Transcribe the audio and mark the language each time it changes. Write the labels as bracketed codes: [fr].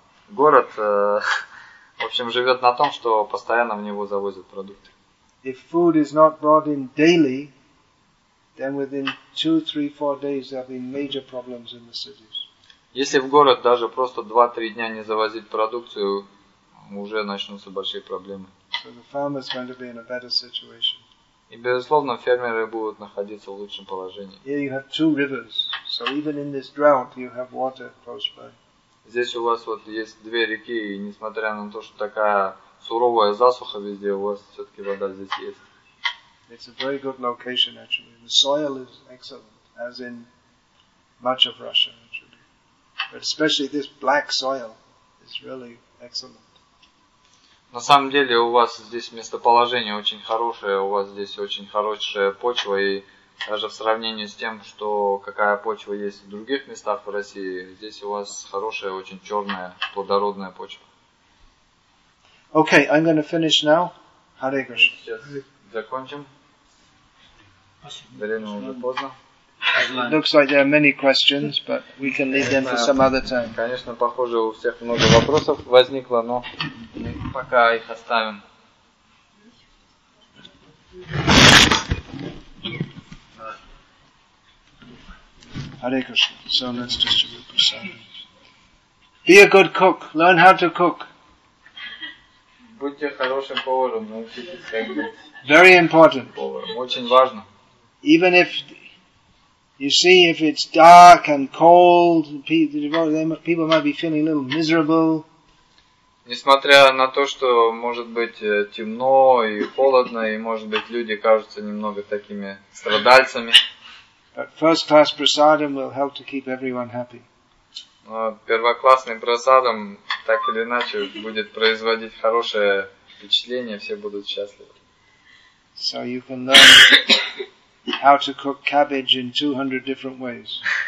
[ru] Город, в общем, живет на том, что постоянно в него завозят продукты. [en] If food is not brought in daily, then within 2-3-4 days there'll be major problems in the cities. [ru] Если в город даже просто 2-3 дня не завозить продукцию, уже начнутся большие проблемы. [en] So the farmer's going to be in a better situation. [ru] И безусловно, фермеры будут находиться в лучшем положении. [en] Here you have two rivers, so even in this drought you have water close by. [ru] Здесь у вас вот есть две реки, и несмотря на то, что такая суровая засуха везде, у вас все-таки вода здесь есть. [en] It's a very good location, actually. The soil is excellent, as in much of Russia, actually. But especially this black soil is really excellent. [ru] На самом деле у вас здесь местоположение очень хорошее, у вас здесь очень хорошая почва, и даже в сравнении с тем, что какая почва есть в других местах в России, здесь у вас хорошая, очень черная, плодородная почва. [en] Okay, I'm going to finish now. Hare Krishna. [ru] Сейчас закончим. Время уже поздно. [en] It looks like there are many questions, but we can leave them for some other time. [ru] Конечно, похоже, у всех много вопросов возникло, но пока их оставим. [en] Hare Krishna. So let's distribute prasad. Be a good cook. Learn how to cook. [ru] Будьте хорошим поваром, научитесь как быть. [en] Very important. [ru] Поваром. Очень важно. [en] Even if you see if it's dark and cold, people might be feeling a little miserable. [ru] Несмотря на то, что может быть темно и холодно, и может быть люди кажутся немного такими страдальцами. [en] But first-class prasadam will help to keep everyone happy. [ru] Первоклассный прасадам так или иначе будет производить хорошее впечатление, все будут счастливы. [en] So you can learn how to cook cabbage in 200 different ways.